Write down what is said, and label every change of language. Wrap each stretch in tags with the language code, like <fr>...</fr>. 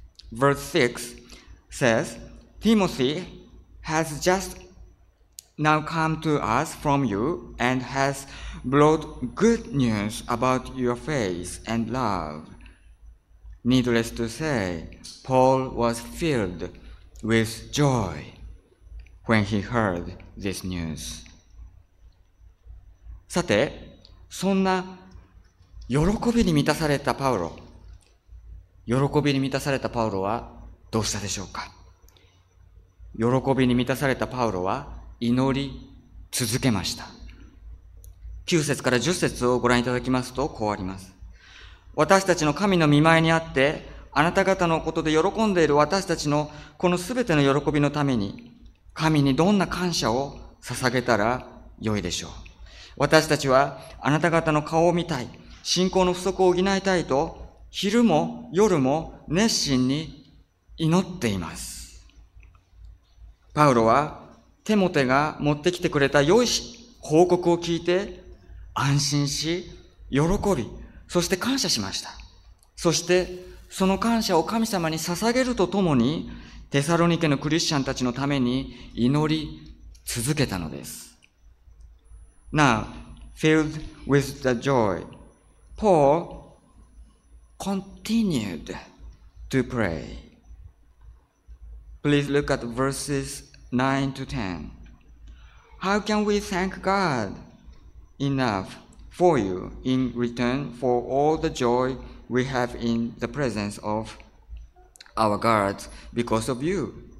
<en>Verse 6 says, Timothy has just now come to us from you and has brought good news about your faith and love. Needless to say, Paul was filled with joy when he heard this news.</en> <ja>さて、そんな喜びに満たされたパウロ、喜びに満たされたパウロはどうしたでしょうか。喜びに満たされたパウロは祈り続けました。 9節から10節をご覧いただきますとこうあります。私たちの神の御前にあって、あなた方のことで喜んでいる私たちのこのすべての喜びのために、神にどんな感謝を捧げたらよいでしょう。私たちはあなた方の顔を見たい、信仰の不足を補いたいと、昼も夜も熱心に祈っています。パウロはテモテが持ってきてくれた良い報告を聞いて、安心し、喜び、そして感謝しました。そしてその感謝を神様に捧げるとともに、テサロニケのクリスチャンたちのために祈り続けたのです。</ja> <en>now filled with the joy, Paul continued to pray. Please look at verses 9 to 10. How can we thank God enough for you in return for all the joy we have in the presence of our God because of you?</en>